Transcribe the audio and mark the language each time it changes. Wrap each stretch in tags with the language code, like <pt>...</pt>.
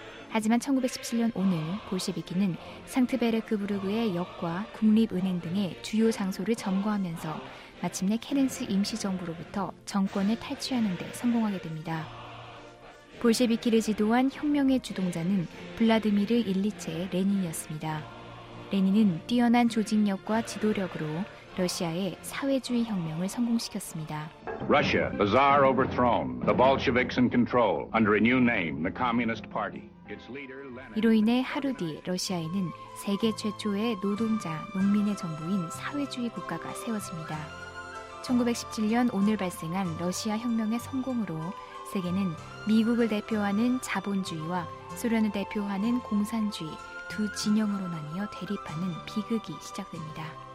<ko>하지만 1917년 오늘 볼셰비키는 상트베르크부르크의 역과 국립은행 등의 주요 장소를 점거하면서 마침내 케렌스 임시정부로부터 정권을 탈취하는 데 성공하게 됩니다. 볼셰비키를 지도한 혁명의 주동자는 블라드미르 일리체의 레닌이었습니다. 레닌은 뛰어난 조직력과 지도력으로 러시아의 사회주의 혁명을 성공시켰습니다.</ko> <en>Russia, the Tsar overthrown, the Bolsheviks in control under a new name, the Communist Party.</en> <ko>이로 인해 하루 뒤 러시아에는 세계 최초의 노동자, 농민의 정부인 사회주의 국가가 세워집니다. 1917년 오늘 발생한 러시아 혁명의 성공으로 세계는 미국을 대표하는 자본주의와 소련을 대표하는 공산주의 두 진영으로 나뉘어 대립하는 비극이 시작됩니다.</ko>